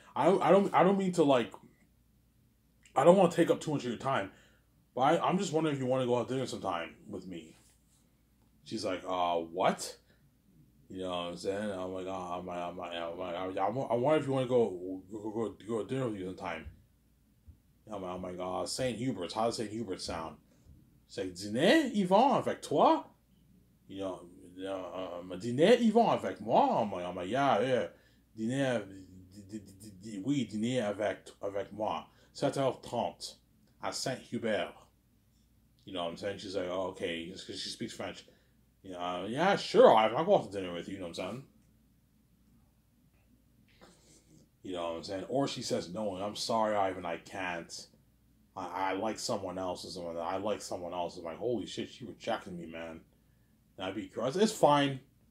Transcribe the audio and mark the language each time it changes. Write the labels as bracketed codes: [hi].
[en] I don't mean to, like, I don't want to take up too much of your time, but I'm just wondering if you want to go out to dinner sometime with me. She's like, what? You know what I'm saying? I'm like, I wonder if you want to go to dinner with you sometime. I'm like, St. Hubert's. How does St. Hubert sound? She's like, [fr] dîner, Yvon, avec toi? [en] You know, [fr] dîner, Yvon, avec moi? [en] I'm like, yeah. [fr] Dîner, oui, dîner avec moi. [en] 7h30 at Saint Hubert. You know what I'm saying? She's like, oh, okay, because she speaks French. You know, yeah, sure, I'll go out to dinner with you, you know what I'm saying? You know what I'm saying? Or she says, no, I'm sorry, Ivan, I can't. I like someone else or something like that. I like someone else. I'm like, holy shit, she rejected me, man. And I'd be crushed. It's fine.